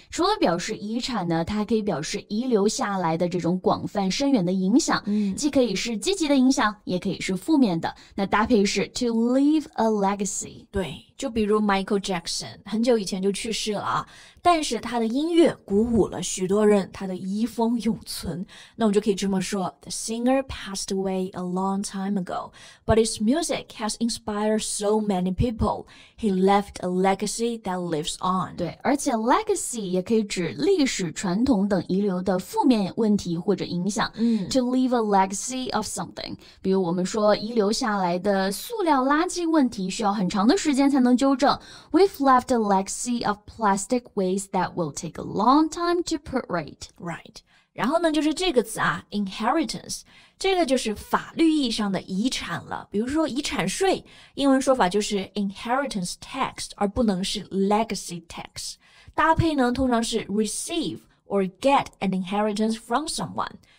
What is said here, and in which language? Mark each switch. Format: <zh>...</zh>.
<zh>除了表示遗产呢，它还可以表示遗留下来的这种广泛深远的影响。既可以是积极的影响，也可以是负面的。那搭配是</zh> <en>to leave a legacy。</en> <zh>对。就比如 Michael Jackson, 很久以前就去世了啊。但是他的音乐鼓舞了许多人，他的遗风永存。那我就可以这么说</zh> <en>,The singer passed away a long time ago, but his music has inspired so many people. He left a legacy that lives on.</en> <zh>对，而且 legacy 也可以指历史传统等遗留的负面问题或者影响。嗯、</zh> <en>to leave a legacy of something.</en> <zh>比如我们说遗留下来的塑料垃圾问题需要很长的时间才能纠正。</zh> <en>We've left a legacy of plastic waste. That will take a long time to put right. Right.</en> <zh>然后呢就是这个词啊 inheritance. 这个就是法律意义上的遗产了。比如说遗产税英文说法就是 inheritance tax, 而不能是 legacy tax. 搭配呢通常是</zh> <en>receive or get an inheritance from someone.</en>